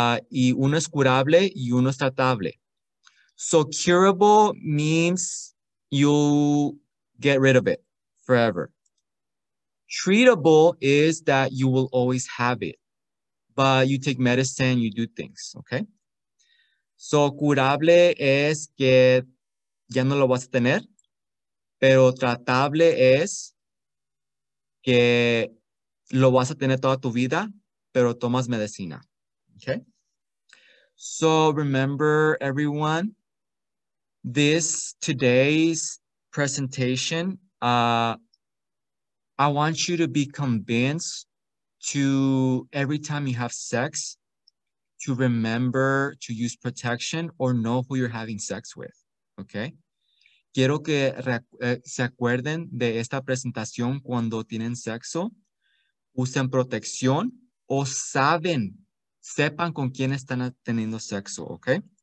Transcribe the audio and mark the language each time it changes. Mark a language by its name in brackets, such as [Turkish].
[Spanish] Y uno es curable y uno es tratable. [English] So curable means you get rid of it forever. Treatable is that you will always have it, but you take medicine, you do things, okay? [Spanish] So curable es que ya no lo vas a tener, pero tratable es que lo vas a tener toda tu vida, pero tomas medicina, okay? [English] So remember, everyone, today's presentation, I want you to be convinced to, every time you have sex, to remember to use protection or know who you're having sex with, okay? [Spanish] Quiero que se acuerden de esta presentación cuando tienen sexo, usen protección o saben, sepan con quién están teniendo sexo, okay?